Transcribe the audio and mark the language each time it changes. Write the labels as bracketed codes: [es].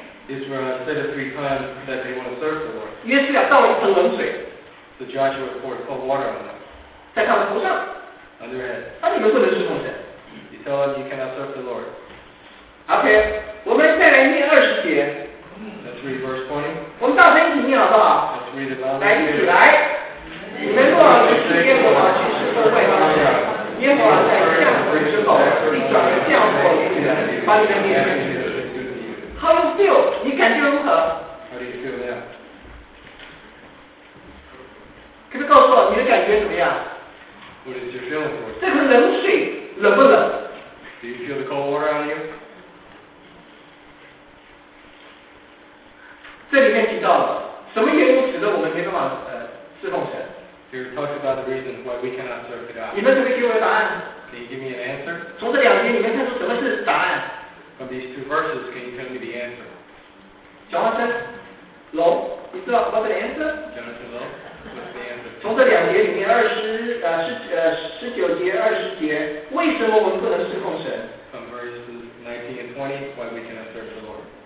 [en] Israel said it three times that they want to serve the Lord. [zh] 约书亚倒了一盆冷水。 [en] So Joshua poured cold water on them. [zh] 在他们头上。 [en] On their head. [zh] 那你们不能侍奉神。 [en] You tell them you cannot serve the Lord. [zh] Okay, 我们再来念二十节。 [en] Let's read verse 20. [zh] 我们大声一起念好不好？来，一起来！你们若是耶和华去侍奉外邦神，耶和华在降水之后，必转而降祸于你们，把你们灭绝。 [en] How do you feel? [zh] 你感觉如何？ [en] How do you feel now? [zh] 可是告诉我，你的感觉怎么样？ [en] What is your feeling for? [zh] 这盆冷水冷不冷？ [en] Do you feel the cold water on you? [zh] 这里面提到了。什么原因使得我们没办法侍奉神？ [en] You're talking about the reasons why we cannot serve God. [zh] 你们可不可以给我答案？ [en] Can you give me an answer? [zh] 从这两节里面看出什么是答案？ [en] From these two verses, can you tell me the answer? Jonathan Low, you know what's the answer? Jonathan Low, what's the answer? [zh] 从这两节里面19节、20节，为什么我们不能侍奉神？ [en] From verses 19 and 20, why we cannot serve the Lord?